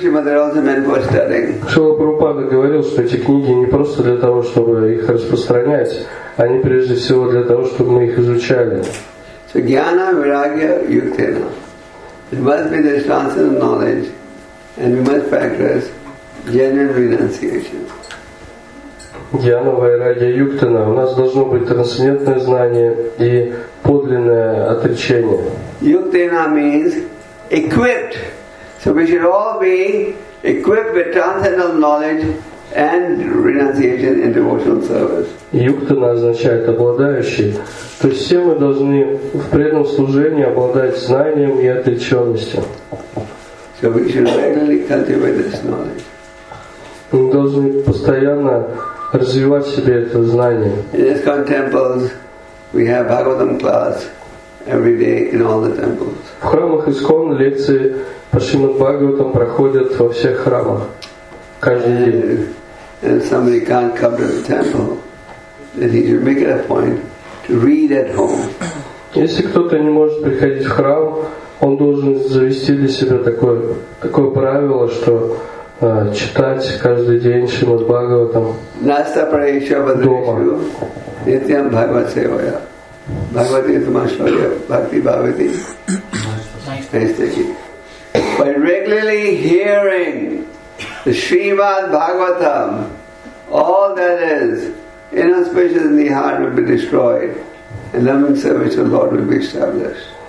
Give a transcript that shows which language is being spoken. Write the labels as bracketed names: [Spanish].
[Russian] Шрила Прабхупада говорил, что эти книги не просто для того, чтобы их распространять, они прежде всего для того, чтобы мы их изучали. [Sanskrit] So jnana, viragya, yuktena. [English] It must be the transcendental knowledge and we must practice genuine renunciation. [Russian] Дьяна, Вайрагья, Юктана. У нас должно быть трансцендентное знание и подлинное отречение. [English] Yuktena means equipped. So we should all be equipped with transcendental knowledge and renunciation in devotional service. [Russian] Yuktena означает обладающий. То есть все мы должны в преданном служении обладать знанием и отреченностью. [English] So we should regularly cultivate this knowledge. [Russian] Мы должны постоянно развивать в себе это знание. [English] In ISKCON temples, we have Bhagavatam class every day in all the temples. [Russian] В храмах ISKCON лекции по Шримад Бхагаватам проходят во всех храмах каждый день. [English] And if somebody can't come to the temple, then he should make it a point to read at home. [Russian] Если кто-то не может приходить в храм, он должен завести для себя такое правило, что читать каждый день Шримад Бхагаватам [Sanskrit] Наста Прайша Бадришу Нитям Бхагават Севая Бхагавати Тумашвая Бхакти Бхавати [English] By regularly hearing the Shrimad Bhagavatam all that is inauspicious in the heart will be destroyed and loving service of the Lord will be established.